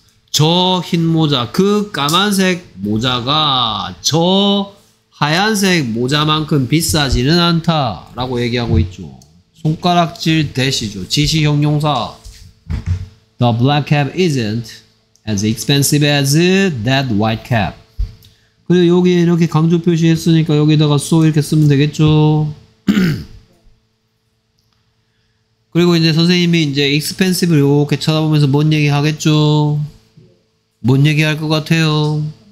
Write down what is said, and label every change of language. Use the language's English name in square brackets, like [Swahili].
[Korean] 저 흰 모자, 그 까만색 모자가 저 하얀색 모자만큼 비싸지는 않다 라고 얘기하고 있죠. 손가락질 대시죠. 지시 형용사. [English] The black cap isn't as expensive as that white cap. [Korean] 그리고 여기에 이렇게 강조 표시했으니까 여기다가 so 이렇게 쓰면 되겠죠. 그리고 이제 선생님이 이제 expensive 이렇게 쳐다보면서 뭔 얘기 하겠죠. 뭔 얘기 할 것 같아요?